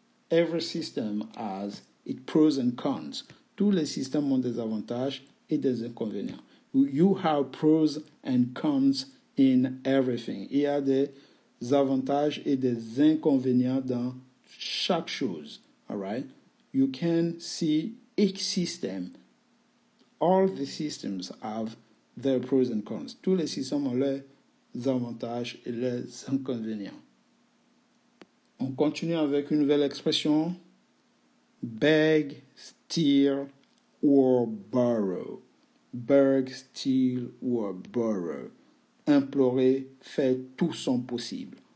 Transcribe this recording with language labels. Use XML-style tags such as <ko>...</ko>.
<en>Every system has its pros and cons.</en> <fr>Tous les systèmes ont des avantages et des inconvénients.</fr> <en>You have pros and cons in everything.</en> <fr>Il y a des avantages et des inconvénients dans chaque chose.</fr> <en>All right? You can see each system. All the systems have their pros and cons.</en> <fr>Tous les systèmes ont leurs avantages et leurs inconvénients. On continue avec une nouvelle expression.</fr> <en>Beg, steal, or borrow. Beg, steal, or borrow.</en> <fr>Implorer, faire tout son possible.</fr>